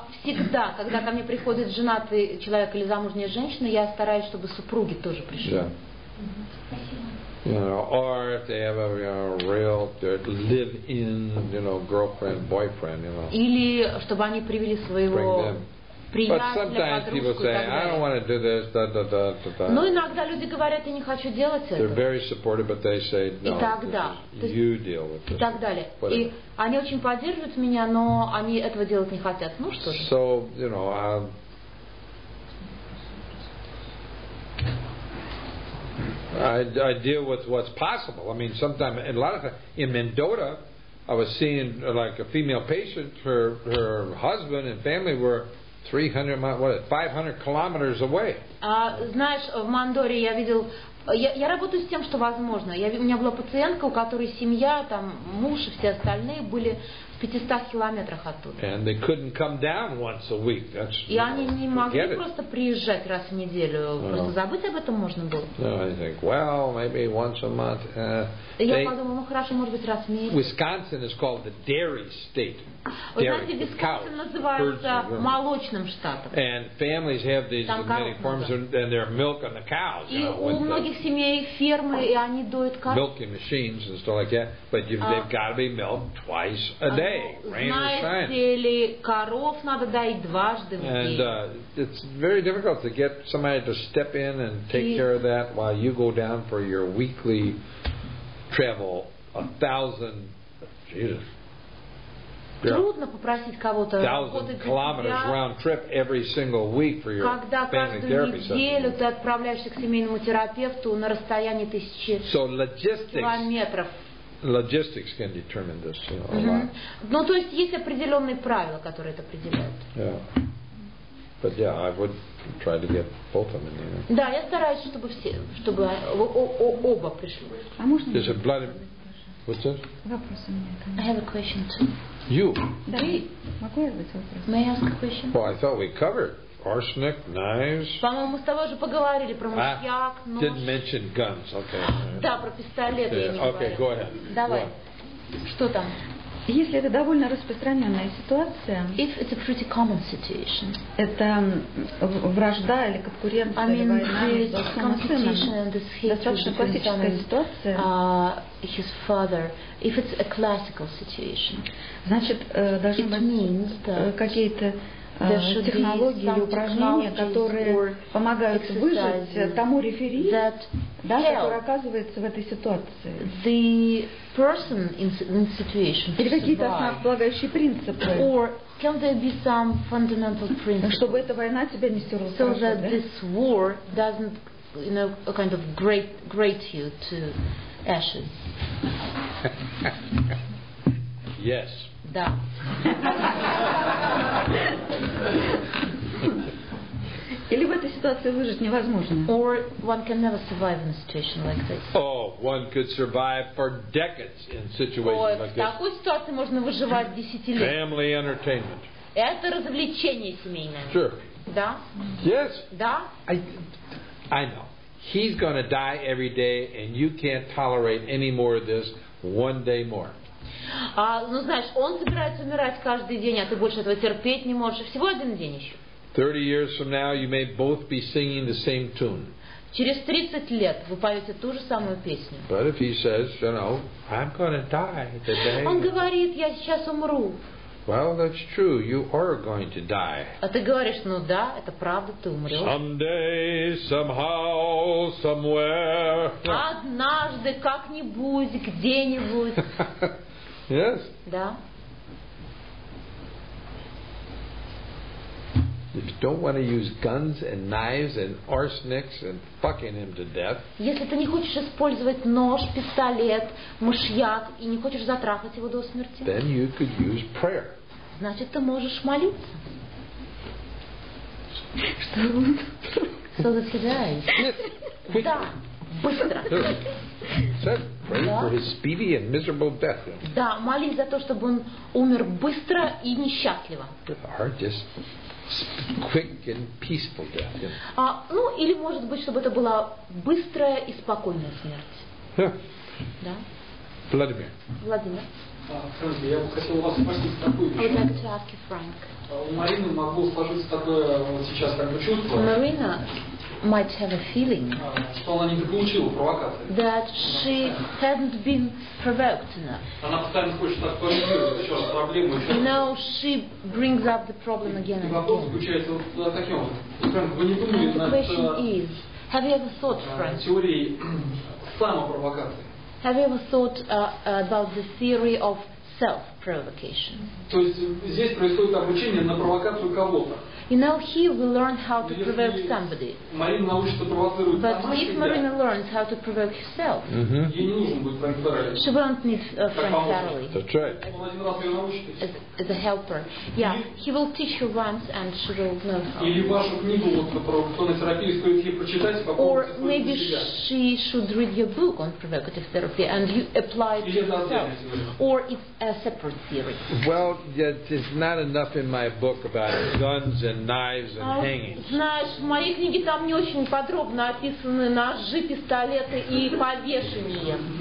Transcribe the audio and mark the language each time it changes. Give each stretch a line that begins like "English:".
Russian: Всегда, когда ко мне приходит женатый человек или замужняя женщина, я стараюсь, чтобы супруги тоже пришли.
English: Yeah. Or if they have a real live-in, girlfriend, boyfriend,
Russian: Или чтобы они привели своего
English: sometimes people say, I don't want to do this, da-da-da-da-da.
Russian: Но иногда люди говорят, я не хочу делать это.
English: They're very supportive, but they say, no, you deal with this.
Russian: И так далее. И они очень поддерживают меня, но они этого делать не хотят. Ну что же.
English: So, you know, I deal with what's possible. I mean, sometimes, a lot of times, in Mendota, I was seeing, like, a female patient, her husband and family were 500 kilometers away.
Russian: Знаешь, в Мондоре я видел, я работаю с тем, что возможно. У меня была пациентка, у которой семья, там, муж и все остальные были в 500 километрах оттуда.
English: And they couldn't come down once a week. That's,
Russian: и они не могли просто приезжать раз в неделю. Просто забыть об этом можно было.
English: No, I think, well, maybe once a month.
Russian: Я подумала, ну хорошо, может быть, раз в месяц.
English: Wisconsin is called the dairy state.
Russian: Вы знаете, Висконсин называется молочным штатом.
English: And families have these many farms and their milk on the cows.
Russian: И у многих семей фермы, и они доят коров.
English: Milking machines and stuff like that, but they've got to be milked twice a day, rain or shine.
Russian: Знаете ли, коров надо доить дважды в день.
English: And it's very difficult to get somebody to step in and take care of that while you go down for your weekly travel 1,000. Jesus.
Russian: Трудно попросить кого-то работать для тебя, когда каждую неделю ты отправляешься к семейному терапевту на расстоянии тысячи километров.
English: Logistics can determine this, you know, a lot.
Russian: Ну, то есть есть определенные правила, которые это определяют.
English: Yeah. But yeah, I would try to get both of them in there.
Russian: Да, я стараюсь, чтобы все, чтобы оба пришли. А можно?
English: What's that? I have a question too. You? May I ask a question? Well, I thought we covered arsenic, knives.
Russian: По-моему, с тобой же поговорили про мышьяк, нож.
English: Didn't mention guns, okay.
Russian: Да, про пистолеты.
English: Okay, go ahead.
Russian: Давай. Что там? Если это довольно распространенная ситуация,
English: if it's a pretty common situation,
Russian: это вражда или конкуренция,
English: I mean,
Russian: или война,
English: it's a
Russian: достаточно классическая ситуация,
English: his father, if it's a classical situation,
Russian: значит, должны быть какие-то технологии или упражнения, которые помогают выжить тому рефери, да, который оказывается в этой ситуации.
English: The person in situation.
Russian: Или какие-то основополагающие принципы.
English: Or can there be some fundamental principles?
Russian: Чтобы эта война тебя не стерла.
English: So that this war doesn't, you know, a kind of great you to ashes. Yes.
Russian: Да. Или в этой ситуации выжить невозможно.
English: Or one can never survive in a situation like this. Oh, one could survive for decades in situations like this.
Russian: В такой ситуации можно выживать десятилетия.
English: Family entertainment.
Russian: Это развлечение семейное.
English: Sure.
Russian: Да.
English: Yes.
Russian: Да.
English: I know. He's going to die every day, and you can't tolerate any more of this one day more.
Russian: Ну знаешь, он собирается умирать каждый день, а ты больше этого терпеть не можешь. Всего один день еще.
English: 30 years from now, you may both be singing the same tune.
Russian: Через 30 лет вы поете ту же самую песню.
English: But if he says, you know, I'm going to die today.
Russian: Он говорит, я сейчас умру.
English: Well, that's true. You are going to die.
Russian: А ты говоришь, ну да, это правда, ты умрешь.
English: Someday, somehow, somewhere.
Russian: Однажды, как-нибудь, где-нибудь.
English: Yes.
Russian: Да.
English: If you don't want to use guns and knives and arsenics and fucking him to death.
Russian: Если ты не хочешь использовать нож, пистолет, мышьяк и не хочешь затрахать его до смерти.
English: Then you could use prayer.
Russian: Значит, ты можешь молиться. Что?
English: So that he dies. Yes.
Russian: Да. Быстро.
English: Said, pray for his speedy and miserable death.
Russian: Да, молись за то, чтобы он умер быстро и несчастливо.
English: Quick and peaceful death.
Russian: Ну или может быть, чтобы это была быстрая и спокойная смерть. Да. Владимир. Владимир. Скажите, я бы хотел вас спросить такую вещь.
English: I'd like to ask you, Frank.
Russian: У Марины могло сложиться такое вот сейчас как бы чувство. Марина.
English: might have a feeling that she hadn't been provoked enough. You know, she brings up the problem again and again. And the question is, have you ever thought, Frank, have you ever thought about the theory of self-provocation? You know, here we learn how to provoke somebody. But if Marina learns how to provoke herself, she won't need a friend Sarali. That's right. As a helper. Yeah, he will teach her once and she will know how. Or maybe she should read your book on provocative therapy and you apply it to yourself. Or it's a separate theory. Well, there's not enough in my book about it. Guns and knives and hangings.
Russian: Знаешь, в моей книге там не очень подробно описаны ножи, пистолеты и повешения.